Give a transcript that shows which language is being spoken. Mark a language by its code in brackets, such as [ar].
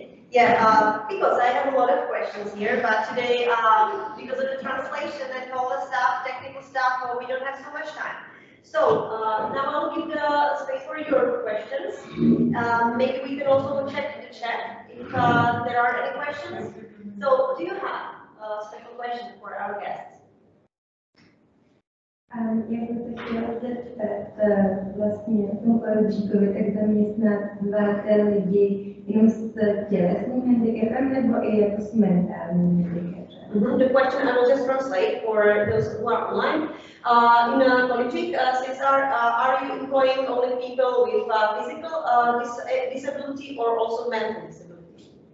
[en] Because I have a lot of questions here, but today, because of the translation and all the stuff, technical stuff, we don't have so much time. So now I'll give the space for your questions. Maybe we can also check in the chat if there are any questions. So do you have special question for our guests? [cs] A já bych se chtěla zeptat vlastně tomu Kolibříkovi, tak zaměstnáváte lidi jenom s tělesným handicapem nebo i jako s mentálním handicapem? [en] The question I will just translate for those who are online. In Kolibřík, are you employing only people with physical disability or also mental disability?